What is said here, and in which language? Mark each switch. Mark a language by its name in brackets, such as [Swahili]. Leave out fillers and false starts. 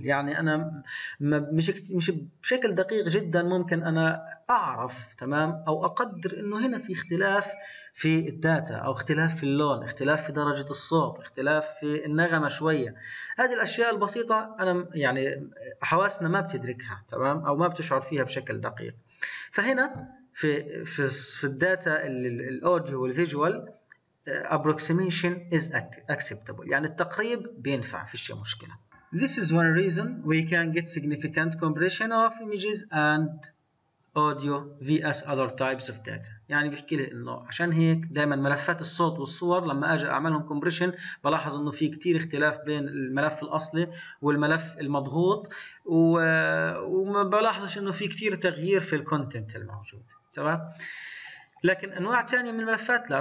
[Arabic] يعني أنا مش بشكل دقيق جدا ممكن أنا أعرف تمام أو أقدر إنه هنا في اختلاف في الداتا أو اختلاف في اللون، اختلاف في درجة الصوت، اختلاف في النغمة شوية. هذه الأشياء البسيطة أنا يعني حواسنا ما بتدركها تمام أو ما بتشعر فيها بشكل دقيق. فهنا في الداتا الأوديو والفيجوال [English] approximation is acceptable. [Arabic] يعني التقريب بينفع، فيش مشكلة. [English] This is one reason we can get significant compression of images and audio vs other types of data. [Arabic] يعني بيحكي لي انه عشان هيك دائما ملفات الصوت والصور لما اجي اعملهم كومبريشن بلاحظ انه في كثير اختلاف بين الملف الاصلي والملف المضغوط، وما بلاحظش انه في كثير تغيير في الكونتنت الموجود، تمام؟ لكن انواع ثانيه من الملفات لا.